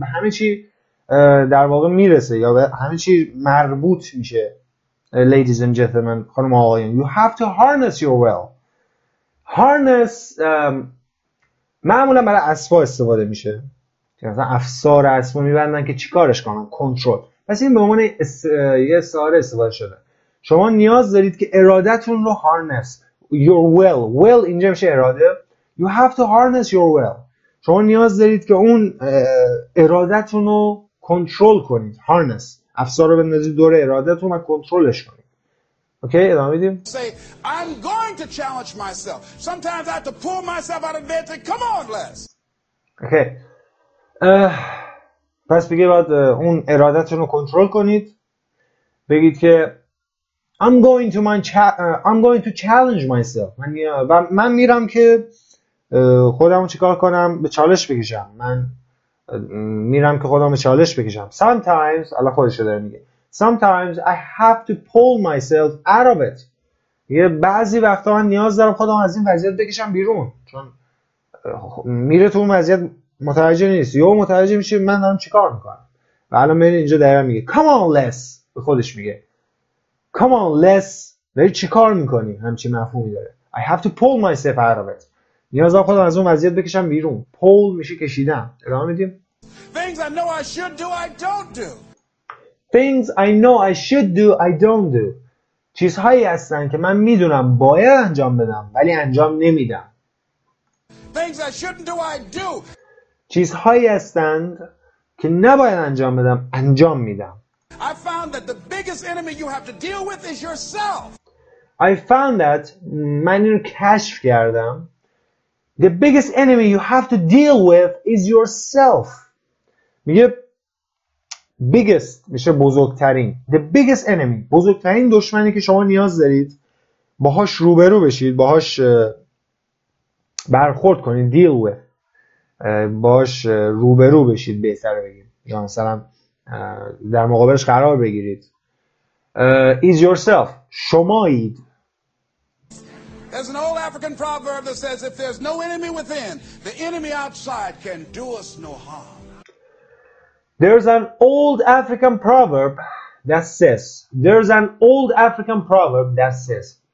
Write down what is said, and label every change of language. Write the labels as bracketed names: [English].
[Persian] به همه چی در واقع میرسه یا به همه چی مربوط میشه. [English] Ladies and gentlemen, [Persian] خانم آقایان, [English] you have to harness your will. [Persian] Harness معمولا برای اسبا استفاده میشه. مثلا افسار اسبا میبندن که چیکارش کنن؟ کنترل. پس این به عنوان یه استعاره استفاده شده. شما نیاز دارید که ارادتون رو harness. [English] Your will. [Persian] Will اینجا میشه اراده. [English] You have to harness your will. [Persian] شما نیاز دارید که اون ارادتون رو کنترل کنید. [English] Harness. [Persian] افسار رو بندازید دور ارادتون و کنترلش کنید. اوکی okay, ادامه میدیم. [English] Say, I'm going to challenge myself. Sometimes I have to pull myself out of bed. Come on, Les. [Persian] اوکی. پس بگید باید اون ارادتون رو کنترل کنید. بگید که [English] I'm going to challenge myself. [Persian] من میرم که خودمو چیکار کنم؟ به چالش بکشم. من میرم که خودم به چالش بکشم. [English] Sometimes [Persian] الله خودش داره میگه [English] Sometimes I have to pull myself out of it. [Persian] یه بعضی وقتا من نیاز دارم خودم از این وضعیت بکشم بیرون, چون میره تو اون وضعیت متوجه نیست, یه متوجه میشه من دارم چیکار میکنم. و الان میره اینجا دارم میگه [English] Come on less, [Persian] به خودش میگه Come on less, داری چیکار میکنی؟ همچین مفهومی داره. [English] I have to pull myself out of it. [Persian] نیاز دارم خودم از اون وضعیت بکشم بیرون. پول میشه کشیدم. ادامه میدیم. [English] Things I know I should do, I don't do. Things I know I should do, I don't do. [Persian] چیزهایی هستن که من میدونم باید انجام بدم ولی انجام نمیدم. [English] Things I shouldn't do, I do. [Persian] چیزهایی هستن که نباید انجام بدم, انجام میدم. [English] I found that the biggest enemy you have to deal with is yourself. I found that, [Persian] من اینو کشف کردم. [English] The biggest enemy you have to deal with is yourself. [Persian] میگه biggest میشه بزرگترین. [English] The biggest enemy, [Persian] بزرگترین دشمنی که شما نیاز دارید باهاش روبرو بشید, باهاش برخورد کنید, [English] deal with, [Persian] باهاش روبرو بشید بهتر بگیم, یا مثلا در مقابلش قرار بگیرید, [English] is yourself, [Persian] شمایید. [English] There's an old African proverb that says if there's no enemy within, the enemy outside can do us no harm. There's an old African proverb that says. There's an old African proverb that says.